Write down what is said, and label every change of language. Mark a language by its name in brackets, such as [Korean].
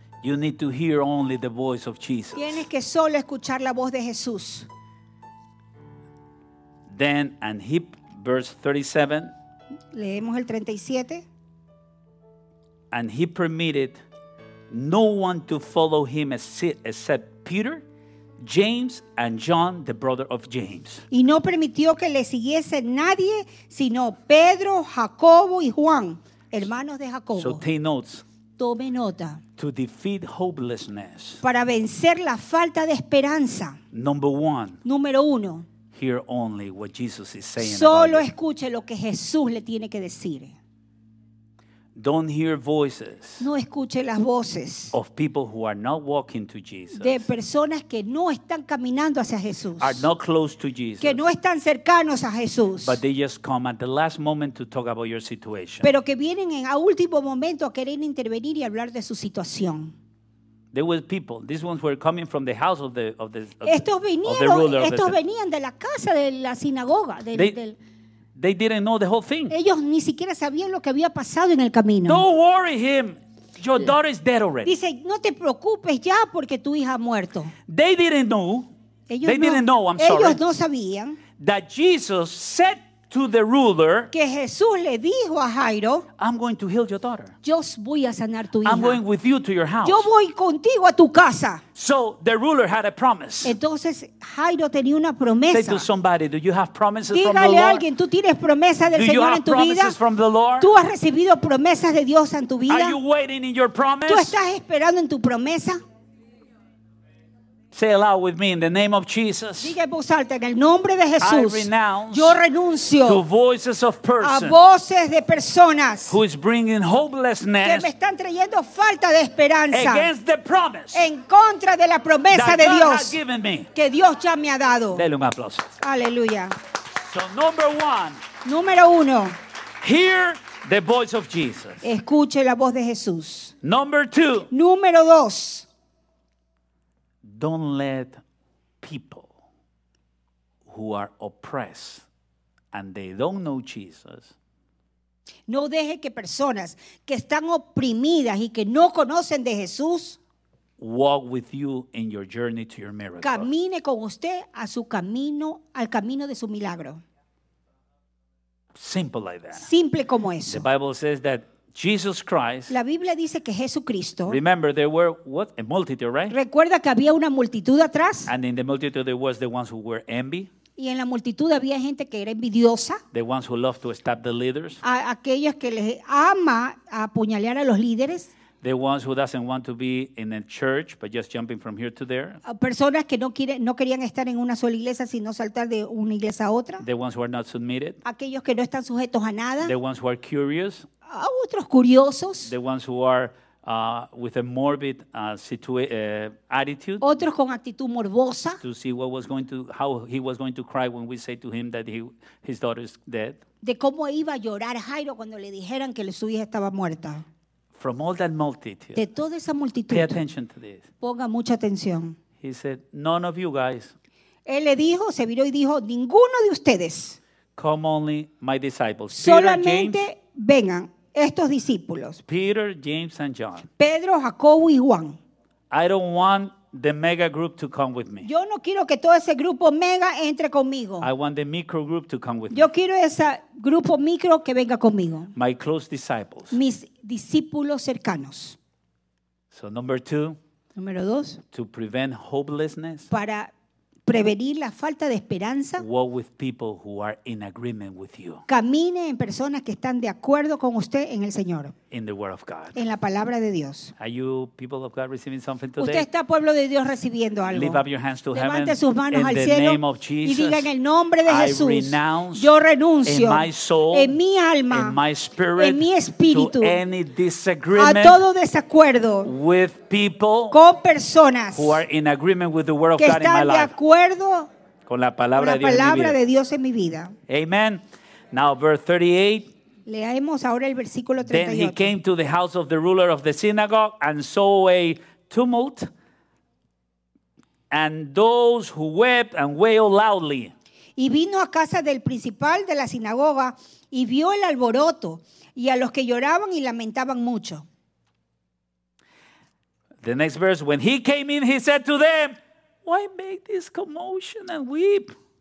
[English] you need to hear only the voice of Jesus. [Spanish] Tienes que solo escuchar la voz de Jesús. [English] Then, and he, verse 37, [Spanish] leemos el 37. [English] And he permitted no one to follow him except Peter, James, and John, the brother of James. [Spanish] Y no permitió que le siguiese nadie sino Pedro, Jacobo y Juan, hermanos de Jacobo. [English] So take notes. [Spanish] Tome nota. [English] To defeat hopelessness. [Spanish] Para vencer la falta de esperanza. [English] Number one. [Spanish] Número uno. [English] Hear only what Jesus is saying. [Spanish] Solo escuche lo que Jesús le tiene que decir. [English] Don't hear voices. [Spanish] No escuche las voces. [English] Of people who are not walking to Jesus. [Spanish] De personas que no están caminando hacia Jesús. [English] Are not close to Jesus. [Spanish] Que no están cercanos a Jesús. [English] But they just come at the last moment to talk about your situation. [Spanish] Pero que vienen en a último momento a querer intervenir y hablar de su situación. [English] There were people. These ones were coming from the house of the of the, of [Spanish] estos vinieron, [English] the ruler. [Spanish] Estos [English] of the, [Spanish] venían de la casa de la sinagoga. [English] They didn't know the whole thing. [Spanish] Ellos ni siquiera sabían lo que había pasado en el camino. [English] Don't worry him. Your daughter is dead already. [Spanish] Dice, no te preocupes ya porque tu hija ha muerto. [English] They didn't know. [Spanish] Ellos [English] they [Spanish] no, [English] didn't know. I'm [Spanish] ellos [English] sorry. [Spanish] Ellos no sabían [English] that Jesus said to the ruler, [Spanish] que Jesús le dijo a Jairo, [English] I'm going to heal your daughter. [Spanish] Yo voy a sanar tu hija. [English] I'm going with you to your house. [Spanish] Yo voy contigo a tu casa. [English] So the ruler had a promise. [Spanish] Entonces Jairo tenía una promesa. [English] Say to somebody, do you have promises [Spanish] Dígale [English] from the Lord? [Spanish] Dígale a alguien, ¿tú tienes promesas del Señor en tu vida? [English] Do you have promises from the Lord? [Spanish] ¿Tú has recibido promesas de Dios en tu vida? [English] Are you waiting in your promise? [Spanish] ¿Tú estás esperando en tu promesa? [English] Say aloud with me in the name of Jesus. [Spanish] Diga en voz alta, en el nombre de Jesús. [English] I renounce. [Spanish] Yo renuncio. [English] To voices of persons. [Spanish] A voces de personas. [English] Who is bringing hopelessness. [Spanish] Que me están trayendo falta de esperanza. [English] Against the promise. [Spanish] En contra de la promesa de Dios. [English] That God has given me. [Spanish] Que Dios ya me ha dado. Dele un aplauso. Aleluya. [English] So number one. [Spanish] Número uno. [English] Hear the voice of Jesus. [Spanish] Escuche la voz de Jesús. [English] Number two. [Spanish] Número dos. [English] Don't let people who are oppressed and they don't know Jesus. [Spanish] No deje que personas que están oprimidas y que no conocen de Jesús [English] walk with you in your journey to your miracle. [Spanish] Camine con usted a su camino, al camino de su milagro. [English] Simple like that. [Spanish] Simple como eso. [English] The Bible says that Jesus Christ. [Spanish] La Biblia dice que Jesucristo. [English] Remember, there were what? A multitude, right? [Spanish] Recuerda que había una multitud atrás. [English] And in the multitude there was the ones who were envy. [Spanish] Y en la multitud había gente que era envidiosa. [English] The ones who loved to stab the leaders. [Spanish] A aquellos que les ama apuñalear a los líderes. [English] The ones who doesn't want to be in a church but just jumping from here to there. [Spanish] Personas que no querían estar en una sola iglesia sino saltar de una iglesia a otra. [English] The ones who are not submitted. [Spanish] Aquellos que no están sujetos a nada. [English] The ones who are curious. [Spanish] A otros curiosos. [English] The ones who are with a morbid attitude. [Spanish] Otros con actitud morbosa. [English] To see what was going to, how he was going to cry when we say to him that his daughter is dead. [Spanish] De cómo iba a llorar Jairo cuando le dijeran que su hija estaba muerta. [English] From all that multitude. [Spanish] De toda esa multitud. [English] Pay attention to this. [Spanish] Ponga mucha atención. [English] He said, none of you guys. [Spanish] Él le dijo, se viró y dijo, ninguno de ustedes. [English] Come only my disciples. [Spanish] Solamente [English] Peter, James, [Spanish] vengan estos discípulos. [English] Peter, James, and John. [Spanish] Pedro, Jacobo y Juan. [English] I don't want the mega group to come with me. [Spanish] Yo no quiero que todo ese grupo mega entre conmigo. [English] I want the micro group to come with [Spanish] Yo [English] me. [Spanish] Quiero ese grupo micro que venga conmigo. [English] My close disciples. [Spanish] Mis discípulos cercanos. [English] So number two. [Spanish] Número dos. [English] To prevent hopelessness. [Spanish] Para prevenir la falta de esperanza. [English] Walk with people who are in agreement with you. [Spanish] Camine en personas que están de acuerdo con usted en el Señor. [English] In the word of God. [Spanish] En la palabra de Dios. [English] Are you people of God receiving something today? [Spanish] ¿Usted está pueblo de Dios recibiendo algo? [English] Lift up your hands to [Spanish] Levante [English] heaven [Spanish] sus manos [English] in [Spanish] al [English] the [Spanish] cielo [English] name of Jesus, [Spanish] y diga en el nombre de [English] I [Spanish] Jesús. [English] Renounce [Spanish] yo renuncio [English] in my soul, [Spanish] en mi alma, [English] in my spirit, [Spanish] en mi espíritu, [English] to any disagreement [Spanish] a todo desacuerdo [English] with people [Spanish] con personas [English] who are in agreement with the word of God in my life. [Spanish] Acuerdo con la palabra, la palabra de Dios en mi vida. [English] Amen. Now verse 38. [Spanish] Leamos ahora el versículo 38. [English] Then he came to the house of the ruler of the synagogue and saw a tumult and those who wept and wailed loudly. [Spanish] Y vino a casa del principal de la sinagoga y vio el alboroto y a los que lloraban y lamentaban mucho. [English] The next verse, when he came in, he said to them, why make this commotion and weep?